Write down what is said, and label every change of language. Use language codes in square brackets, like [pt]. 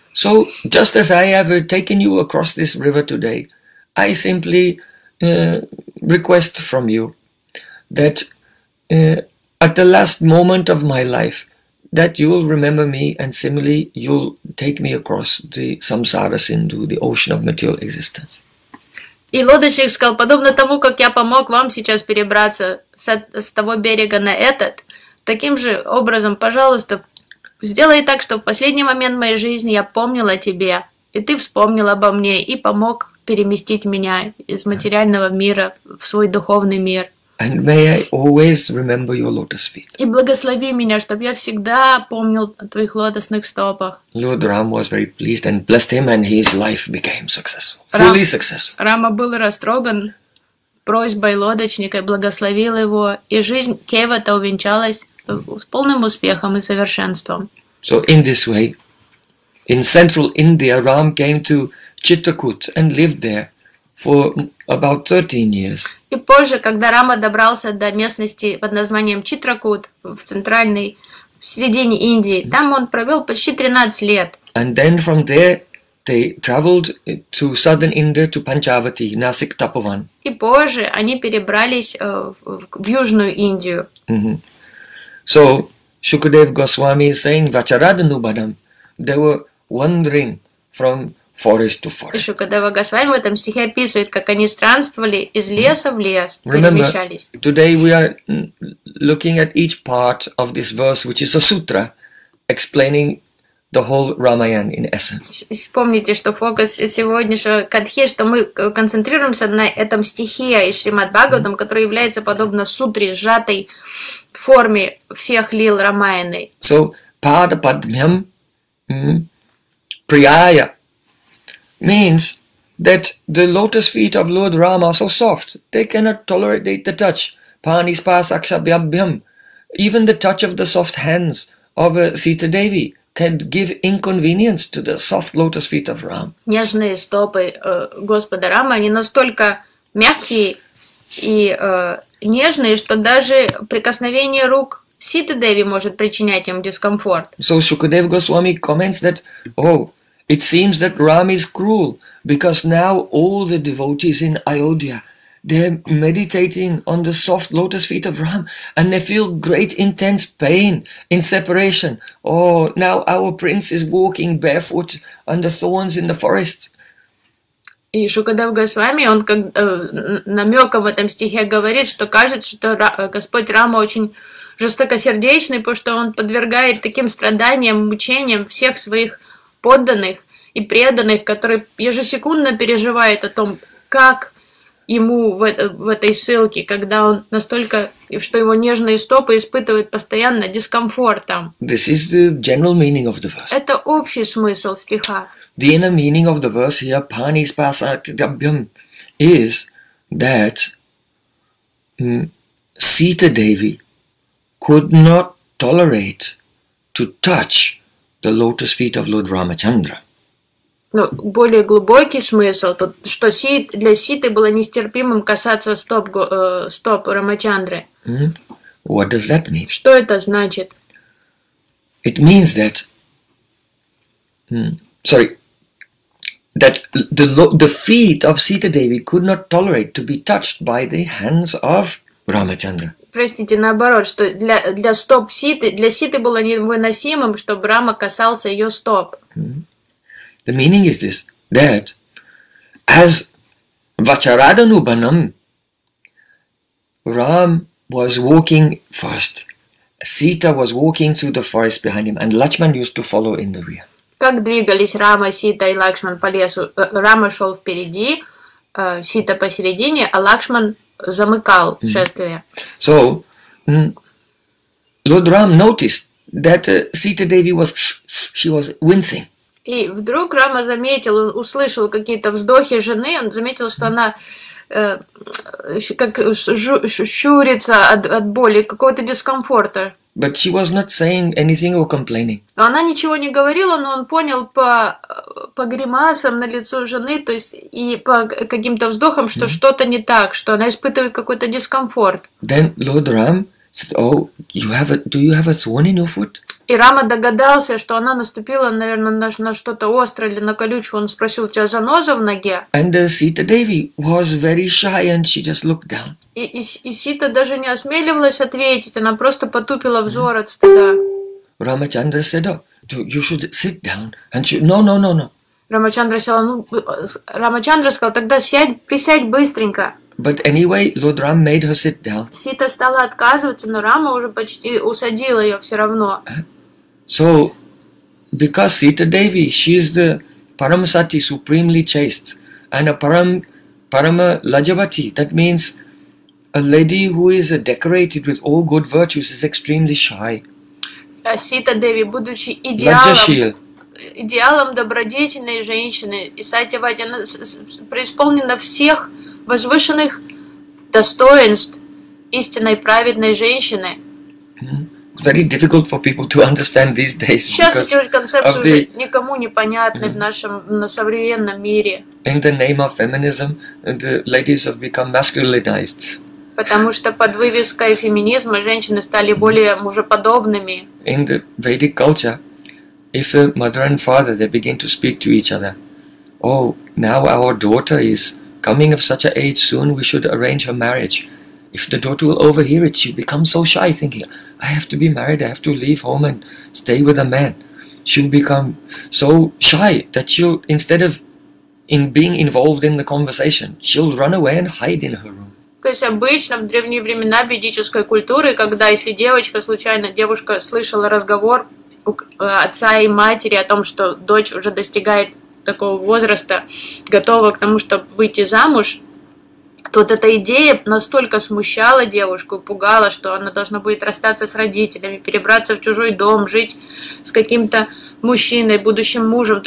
[en] So just as I have taken you across this river today, I simply request from you that at the last moment of my life, that you will remember me, and similarly, you'll take me across the samsara sindhu, the ocean of material existence. [ru] И лодочник сказал, подобно тому, как я помог вам сейчас перебраться с того берега на этот, таким же образом, пожалуйста, сделай так, чтобы в последний момент моей жизни я помнил о тебе, и ты вспомнил обо мне, и помог переместить меня из материального мира в свой духовный мир. [en] And may I always remember your lotus feet. [ru] И благослови меня, чтобы я всегда помнил о твоих лотосных стопах. [en] Lord Rama was very pleased and blessed him, and his life became successful, fully successful. [ru] Рама был растроган просьбой лодочника, благословил его, и жизнь Кевата увенчалась с полным успехом и совершенством. [en] So in this way, in central India, Ram came to Chitrakut and lived there for about 13 years. [ru] И позже, когда Рама добрался до местности под названием Читракут в центральной, в середине Индии, там он провел почти 13 лет. [en] And then from there they traveled to southern India to Panchavati, Nasik Tapovan. [ru] И позже они перебрались в южную Индию. [en] So Shukadev Goswami is saying Vacharadanu Badam, they were wandering from forest to forest. [ru] Еще когда Вагасвами в этом стихе описывает, как они странствовали из леса в лес, перемещались. [en] Today we are looking at each part of this verse, which is a sutra, explaining the whole Ramayan in essence. [ru] Помните, что фокус сегодняшнего катхи, что мы концентрируемся на этом стихе из Шримад Бхагаватам, который является подобно сутре, сжатой форме всех лил Рамаяны. [en] So, pada padmyam priyaya means that the lotus feet of Lord Rama are so soft, they cannot tolerate the touch. Pani spasakshabhyam. Even the touch of the soft hands of Sita Devi can give inconvenience to the soft lotus feet of Rama. [ru] Нежные стопы Господа Рама, они настолько мягкие и нежные, что даже прикосновение рук Сита Деви может причинять им дискомфорт. [en] So Shukadev Goswami comments that, oh, it seems that Ram is cruel because now all the devotees in Ayodhya, they're meditating on the soft lotus feet of Ram and they feel great intense pain in separation. Oh, now our prince is walking barefoot under thorns in the forest. [ru] И Шукадев Госвами, он как намеком в этом стихе говорит, что кажется, что Господь Рама очень жестокосердечный, потому что он подвергает таким страданиям, мучениям всех своих подданных и преданных, которые ежесекундно переживают о том, как ему в этой ссылке, когда он настолько, что его нежные стопы испытывают постоянно дискомфорт там. [en] This is the general meaning of the verse. [ru] Это общий смысл стиха. [en] The inner meaning of the verse here, Pani Spasakdabhyam, is that Sita Devi could not tolerate to touch the lotus feet of Lord Ramachandra. [ru] Но более глубокий смысл тут, что для Ситы было нестерпимым касаться стоп Рамачандры. [en] What does that mean? [ru] Что это значит? [en] It means that, that the feet of Sita Devi could not tolerate to be touched by the hands of Ramachandra. [ru] Простите, наоборот, что для стоп Ситы, для Ситы было невыносимым, чтобы Рама касался ее стоп. [en] The meaning is this, that as Vacharadanu Banam, Ram was walking fast Sita was walking through the forest behind him, and Lakshman used to follow in the rear. [ru] Как двигались Рама, Сита и Лакшман по лесу? Рама шел впереди, Сита посередине, а Лакшман замыкал шествие. [en] So, Lord Ram noticed that Sita Devi was she was wincing. [ru] И вдруг Рама заметил, он услышал какие-то вздохи жены, он заметил, что она как щурится от боли, какого-то дискомфорта. [en] But she was not saying anything or complaining. [ru] Она ничего не говорила, но он понял по гримасам на лицо жены, то есть и по каким-то вздохам, что что-то не так, что она испытывает какой-то дискомфорт. [en] Then Lord Ram said, "Oh, do you have a thorn in your foot?" [ru] И Рама догадался, что она наступила, наверное, на что-то острое или на колючую. Он спросил, у тебя заноза в ноге? [en] And Sita Devi was very shy, and she just looked down. [ru] И Сита даже не осмеливалась ответить, она просто потупила взор от стыда. [en] Рамачандра said, oh, you should sit down. And she, no, no, no, no. [ru] Рамачандра сказал, тогда сядь, присядь быстренько. [en] But anyway, Lord Ram made her sit down. [ru] Сита стала отказываться, но Рама уже почти усадил ее все равно. [en] So, because Sita Devi, she is the Paramasati, supremely chaste, and a Parama Lajavati, that means a lady who is decorated with all good virtues, is extremely shy. [ru] Сита Деви, будучи идеалом добродетельной женщины, и Сати Вати, она преисполнена всех возвышенных достоинств истинной праведной женщины. [en] Very difficult for people to understand these days. [ru] Сейчас эти концепции уже никому не понятны в нашем современном мире. [en] In the name of feminism, the ladies have become masculinized. [ru] Потому что под вывеской феминизма женщины стали более мужеподобными. [en] In the Vedic culture, if a mother and father they begin to speak to each other, oh, now our daughter is coming of such an age, soon we should arrange her marriage. If the daughter will overhear it, she becomes so shy, thinking, I have to be married, I have to leave home and stay with a man. She'll become so shy that she'll, instead of in being involved in the conversation, she'll run away and hide in her room. [ru] То есть обычно в древние времена ведической культуры, когда если девочка, случайно девушка слышала разговор отца и матери о том, что дочь уже достигает такого возраста, готова к тому, чтобы выйти замуж, то вот эта идея настолько смущала девушку, пугала, что она должна будет расстаться с родителями, перебраться в чужой дом, жить с каким-то мужчиной, будущим мужем.